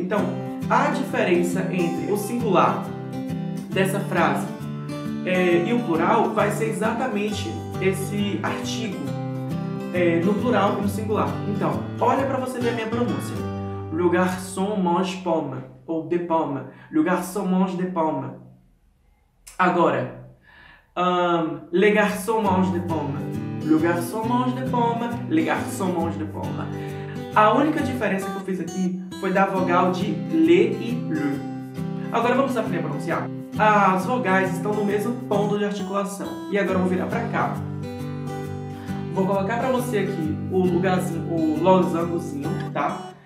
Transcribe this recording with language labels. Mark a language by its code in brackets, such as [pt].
[pt] Então, a diferença entre o singular dessa frase e o plural vai ser exatamente esse artigo. No plural e no singular. Então, olha para você ver a minha pronúncia. [fr] Le garçon mange pomme. Ou de pomme. Le garçon mange de pomme. [pt] Agora. [fr] Le garçon mange de pomme. Le garçon mange de pomme. Le garçon mange de pomme. [pt] A única diferença que eu fiz aqui foi da vogal de le e le. Agora vamos aprender a pronunciar. As vogais estão no mesmo ponto de articulação. E agora eu vou virar para cá. Vou colocar pra você aqui o lugarzinho, o losangozinho, tá?